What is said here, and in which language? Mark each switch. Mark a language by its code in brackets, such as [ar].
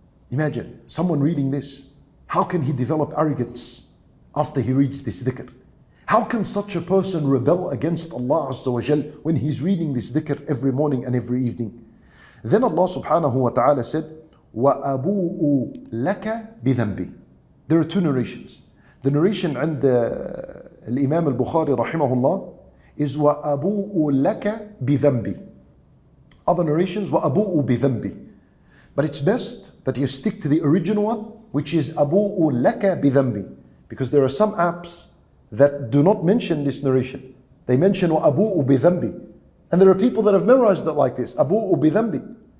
[en] Imagine someone reading this. How can he develop arrogance after he reads this dhikr? How can such a person rebel against Allah Azza wa Jal when he's reading this dhikr every morning and every evening? Then Allah subhanahu wa ta'ala said, [ar] وَأَبُوءُ لَكَ بِذَنْبِي. [en] There are two narrations. The narration [ar] عند الإمام البخاري رحمه الله [en] is [ar] وَأَبُوءُ لَكَ بِذَنْبِي. [en] Other narrations, [ar] وَأَبُوءُ بِذَنْبِي. [en] But it's best that you stick to the original one, which is [ar] أَبُوءُ لَكَ بِذَنْبِي. [en] Because there are some apps that do not mention this narration. They mention [ar] وَأَبُوءُ بِذَنْبِي. [en] And there are people that have memorized it like this, [ar] أَبُوءُ بِذَنْبِي.